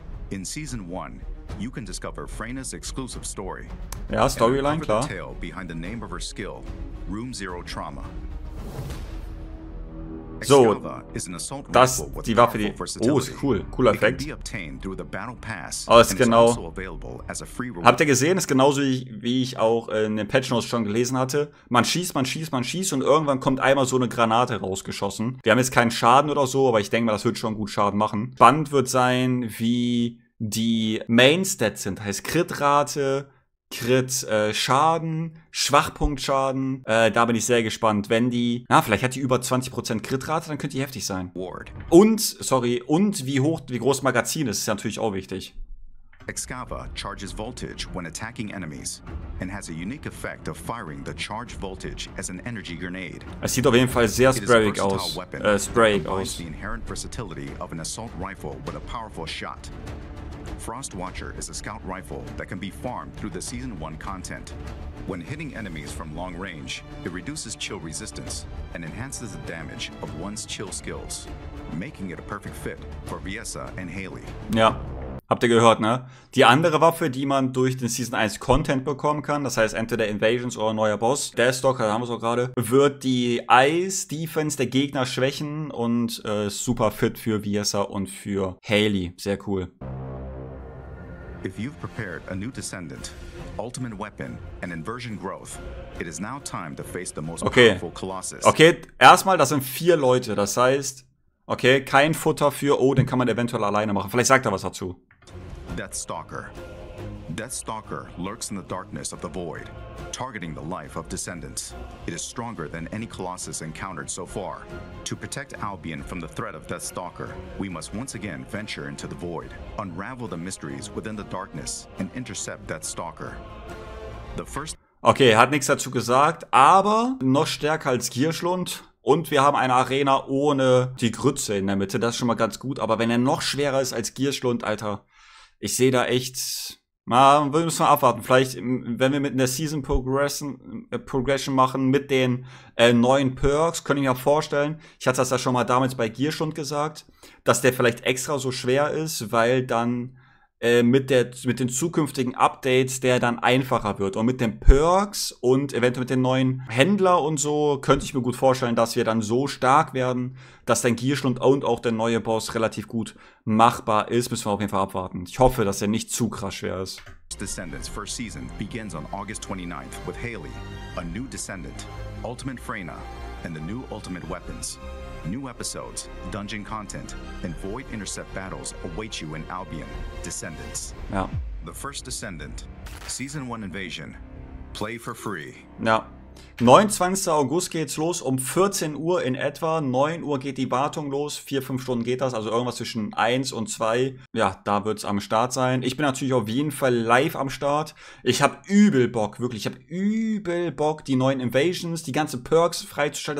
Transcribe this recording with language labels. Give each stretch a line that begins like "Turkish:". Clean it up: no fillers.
English: In Season 1, you can discover Freyna's exclusive story.
German: Ja, Storyline, klar.
English: The tale behind the name of her skill, Room Zero Trauma.
German: So, das, die Waffe, die, oh, ist cool, cooler Effekt. Habt ihr gesehen, ist genauso, wie ich auch in den Patch Notes schon gelesen hatte. Man schießt und irgendwann kommt einmal so eine Granate rausgeschossen. Wir haben jetzt keinen Schaden oder so, aber ich denke mal, das wird schon gut Schaden machen. Spannend wird sein, wie die Main Stats sind, heißt Crit-Rate, Crit-Schaden, Schwachpunktschaden, da bin ich sehr gespannt. Wenn die, na, vielleicht hat die über 20% Crit-Rate, dann könnte die heftig sein. Und wie groß Magazin ist, ist natürlich auch wichtig.
English: Excava charges voltage when attacking enemies and has a unique effect of firing the charge voltage as an energy grenade.
German: Es sieht auf jeden Fall sehr sprayig aus.
English: The inherent versatility of an assault rifle with a powerful shot. Frost Watcher is a scout rifle that can be farmed through the Season 1 content. When hitting enemies from long range, it reduces chill resistance and enhances the damage of one's chill skills, making it a perfect fit for Viessa and Haley.
German: Ja, habt ihr gehört, ne? Die andere Waffe, die man durch den Season 1 Content bekommen kann, das heißt entweder Invasions oder neuer Boss, Deathstalker, da haben wir es auch gerade, wird die Ice Defense der Gegner schwächen und super fit für Viessa und für Haley. Sehr cool.
English: If you've prepared a new descendant, ultimate weapon and inversion growth, it is now time to face the most powerful colossus.
German: Okay, erstmal, das sind 4 Leute, das heißt, okay, kein Futter für, oh, den kann man eventuell alleine machen. Vielleicht sagt er was dazu.
English: Deathstalker. Deathstalker lurks in the darkness of the void, targeting the life of descendants. It is stronger than any colossus encountered so far. To protect Albion from the threat of Deathstalker, we must once again venture into the void, unravel the mysteries within the darkness and intercept Deathstalker. The first.
German: Okay, hat nichts dazu gesagt, aber noch stärker als Gierschlund. Und wir haben eine Arena ohne die Grütze in der Mitte. Das ist schon mal ganz gut, aber wenn er noch schwerer ist als Gierschlund, Alter, ich sehe da echt. Mal, müssen wir abwarten. Vielleicht, wenn wir mit einer Season Progression machen, mit den neuen Perks, könnte ich mir auch vorstellen, ich hatte das ja schon mal damals bei Gierschund gesagt, dass der vielleicht extra so schwer ist, weil dann mit den zukünftigen Updates der dann einfacher wird. Und mit den Perks und eventuell mit den neuen Händler und so, könnte ich mir gut vorstellen, dass wir dann so stark werden, dass dein Gierschlund und auch der neue Boss relativ gut machbar ist. Müssen wir auf jeden Fall abwarten. Ich hoffe, dass er nicht zu krass schwer ist.
English: Descendants first season begins on August 29th with Haley, a new descendant, Ultimate Freyna and the new Ultimate Weapons. New episodes, dungeon content, and void intercept battles await you in Albion, Descendants. Ja. The first Descendant, Season 1 Invasion, play for free.
German: Ja. 29. August geht's los, um 14 Uhr in etwa. 9 Uhr geht die Wartung los, 4-5 Stunden geht das, also irgendwas zwischen 1 und 2. Ja, da wird's am Start sein. Ich bin natürlich auf jeden Fall live am Start. Ich hab übel Bock, wirklich, die neuen Invasions, die ganzen Perks freizuschalten.